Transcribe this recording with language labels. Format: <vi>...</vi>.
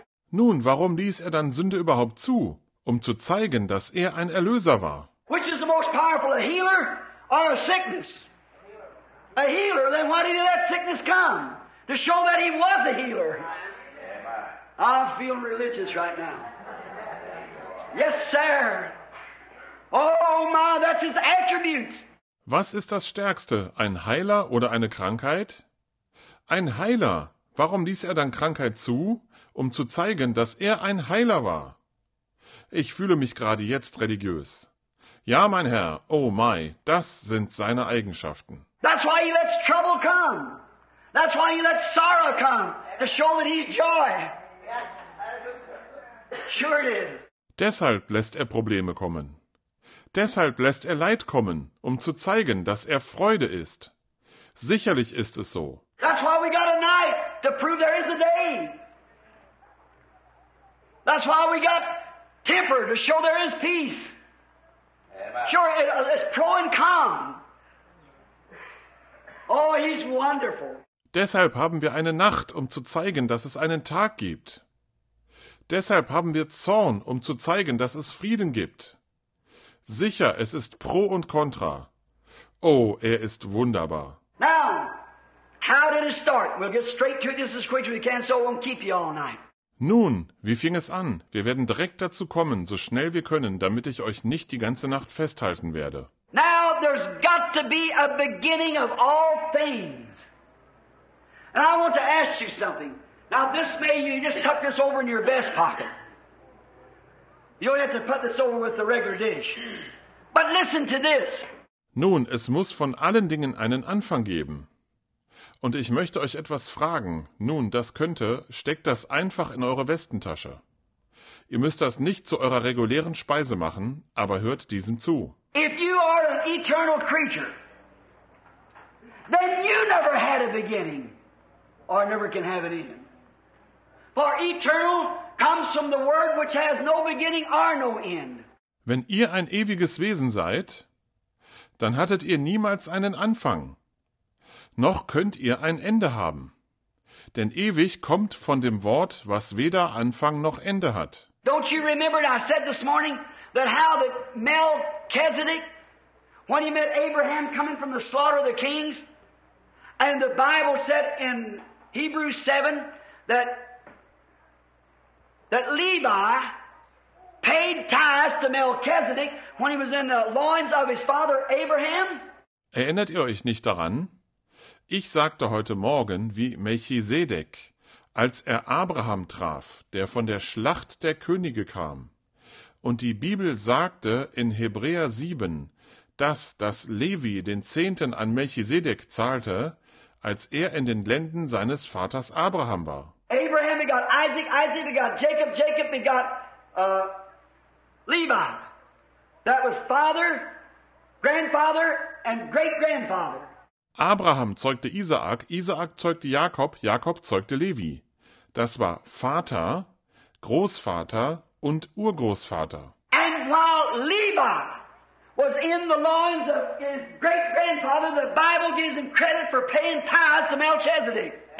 <de>Nun, warum ließ er dann Sünde überhaupt zu? Um zu zeigen, dass er ein Erlöser war.</de> <en>Which is the most powerful, a healer or a sickness? A healer, then why did he let sickness come? To show that he was a healer. I'm feeling religious right now. Yes, sir. Oh, my, that's his attribute.</en> <de>Was ist das Stärkste, ein Heiler oder eine Krankheit? Ein Heiler. Warum ließ er dann Krankheit zu? Um zu zeigen, dass er ein Heiler war. Ich fühle mich gerade jetzt religiös. Ja, mein Herr,</de> <en>oh, my,</en> <de>das sind seine Eigenschaften.</de> <en>That's why he lets trouble come. That's why he lets sorrow come. To show that he's joy. Sure it is.</en> <de>Deshalb lässt er Probleme kommen. Deshalb lässt er Leid kommen, um zu zeigen, dass er Freude ist. Sicherlich ist es so.</de> <en>That's why we got a night, to prove there is a day. That's why we got temper, to show there is peace. Sure, it's pro and con. Oh, he's wonderful.</en> <de>Deshalb haben wir eine Nacht, um zu zeigen, dass es einen Tag gibt. Deshalb haben wir Zorn, um zu zeigen, dass es Frieden gibt. Sicher, es ist Pro und Contra. Oh, er ist wunderbar.</de> <en>Now, how did it start? We'll get straight to it just as quick as we can, so it won't keep you all night.</en> <de>Nun, wie fing es an? Wir werden direkt dazu kommen, so schnell wir können, damit ich euch nicht die ganze Nacht festhalten werde.</de> <en>Now there's got to be a beginning of all things. And I want to ask you something. Now this may, you just tuck this over in your vest pocket. You only have to put this over with the regular dish. But listen to this.</en> <de>Nun, es muss von allen Dingen einen Anfang geben. Und ich möchte euch etwas fragen. Nun, das könnte, steckt das einfach in eure Westentasche. Ihr müsst das nicht zu eurer regulären Speise machen, aber hört diesem zu.</de> <en>If you are an eternal creature, then you never had a beginning or never can have an end. For eternal comes from the word which has no beginning or no end.</en> <de>Wenn ihr ein ewiges Wesen seid, dann hattet ihr niemals einen Anfang. Noch könnt ihr ein Ende haben. Denn ewig kommt von dem Wort, was weder Anfang noch Ende hat.</de> <en>Don't you remember I said this morning that how that Melchizedek, when he met Abraham coming from the slaughter of the kings, and the Bible said in Hebrews 7 that Levi paid tithes to Melchizedek when he was in the loins of his father Abraham?</en> <de>Erinnert ihr euch nicht daran? Ich sagte heute Morgen, wie Melchisedek, als er Abraham traf, der von der Schlacht der Könige kam. Und die Bibel sagte in Hebräer 7, dass Levi den Zehnten an Melchisedek zahlte, als er in den Lenden seines Vaters Abraham war.</de> <en>Abraham begat Isaac, Isaac begat Jacob, Jacob begat Levi. That was father, grandfather and great-grandfather.</en> <de>Abraham zeugte Isaak, Isaak zeugte Jakob, Jakob zeugte Levi. Das war Vater, Großvater und Urgroßvater.</de> <en>And while Levi was in the loins of his great-grandfather, the Bible gives him credit for paying tithes to Melchizedek.</en>